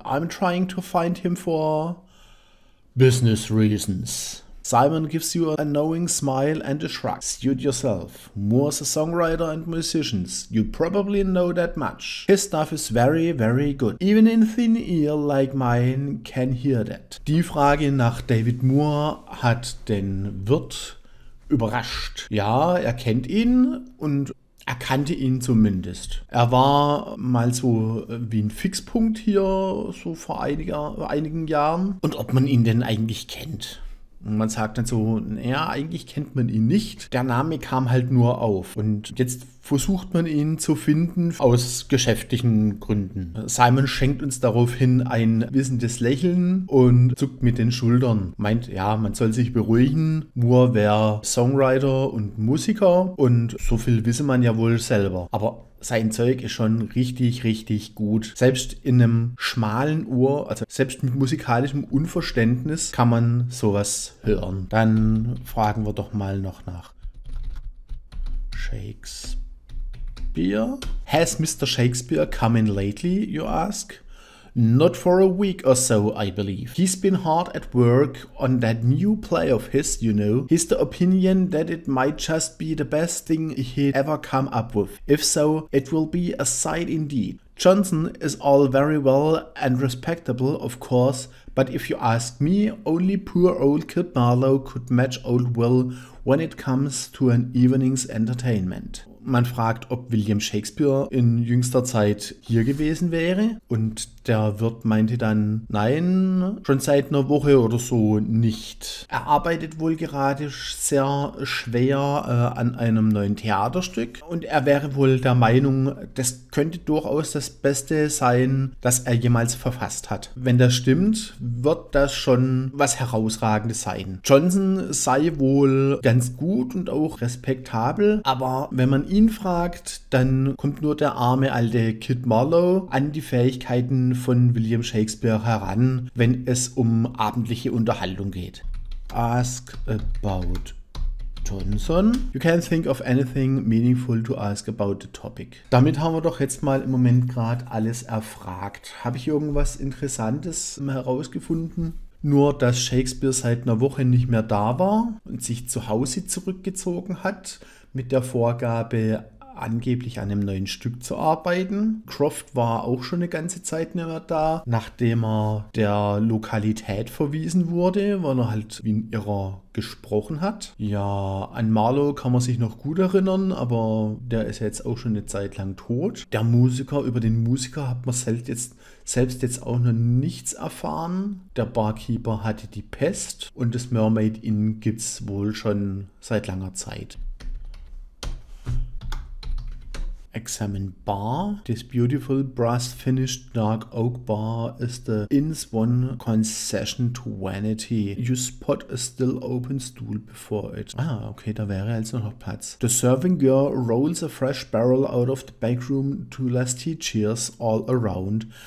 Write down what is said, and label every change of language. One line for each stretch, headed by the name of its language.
English: I'm trying to find him for business reasons. Simon gives you a knowing smile and a shrug. Suit yourself. Moore's a songwriter and musician. You probably know that much. His stuff is very, very good. Even in thin ear like mine can hear that.
German: Die Frage nach David Moore hat den Wirt überrascht. Ja, er kennt ihn und er kannte ihn zumindest. Er war mal so wie ein Fixpunkt hier, so vor einigen Jahren. Und ob man ihn denn eigentlich kennt? Und man sagt dann so, naja, eigentlich kennt man ihn nicht. Der Name kam halt nur auf. Und jetzt versucht man ihn zu finden aus geschäftlichen Gründen. Simon schenkt uns daraufhin ein wissendes Lächeln und zuckt mit den Schultern. Meint, ja, man soll sich beruhigen. Moore wäre Songwriter und Musiker und so viel wisse man ja wohl selber. Aber sein Zeug ist schon richtig, richtig gut. Selbst in einem schmalen Ohr, also selbst mit musikalischem Unverständnis, kann man sowas hören. Dann fragen wir doch mal noch nach Shakespeare.
English: Has Mr. Shakespeare come in lately, you ask? Not for a week or so, I believe. He's been hard at work on that new play of his, you know. He's the opinion that it might just be the best thing he'd ever come up with. If so, it will be a sight indeed. Johnson is all very well and respectable, of course, but if you ask me, only poor old Kid Marlowe could match old Will when it comes to an evening's entertainment.
German: Man fragt, ob William Shakespeare in jüngster Zeit hier gewesen wäre. Und der Wirt meinte dann, nein, schon seit einer Woche oder so nicht. Er arbeitet wohl gerade sehr schwer an einem neuen Theaterstück. Und er wäre wohl der Meinung, das könnte durchaus das Beste sein, das er jemals verfasst hat. Wenn das stimmt, wird das schon was Herausragendes sein. Johnson sei wohl ganz gut und auch respektabel, aber wenn man ihn fragt, dann kommt nur der arme alte Kid Marlowe an die Fähigkeiten von William Shakespeare heran, wenn es um abendliche Unterhaltung geht.
English: Ask about Johnson. You can think of anything meaningful to ask about the topic.
German: Damit haben wir doch jetzt mal im Moment gerade alles erfragt. Habe ich irgendwas Interessantes herausgefunden? Nur, dass Shakespeare seit einer Woche nicht mehr da war und sich zu Hause zurückgezogen hat, mit der Vorgabe, angeblich an einem neuen Stück zu arbeiten. Croft war auch schon eine ganze Zeit nicht mehr da, nachdem er der Lokalität verwiesen wurde, weil er halt wie ein Irrer gesprochen hat. Ja, an Marlowe kann man sich noch gut erinnern, aber der ist ja jetzt auch schon eine Zeit lang tot. Der Musiker, über den Musiker hat man selbst jetzt auch noch nichts erfahren. Der Barkeeper hatte die Pest und das Mermaid Inn gibt es wohl schon seit langer Zeit.
English: Examine Bar. This beautiful brass finished dark oak bar is the inn's one concession to vanity. You spot a still open stool before it.
German: Ah, okay, da wäre also noch Platz.
English: The serving girl rolls a fresh barrel out of the back room to lusty cheers all around.